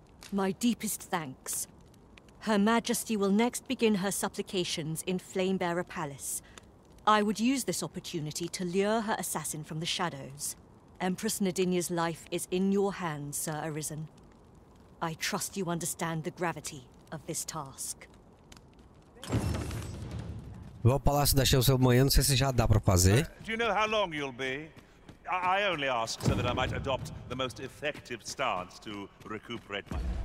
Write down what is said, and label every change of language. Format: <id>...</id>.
<en>My deepest thanks. Her Majesty will next begin her supplications in Flamebearer Palace. I would use this opportunity to lure her assassin from the shadows. Empress Nadinia's life is in your hands, Sir Arisen. I trust you understand the gravity of this task.</en> <pt>Vou ao palácio da Chegou amanhã, não sei se já dá pra fazer.</pt> <en>Do you know how long you'll be? I only ask so that I might adopt the most effective stance to recuperate my...</en>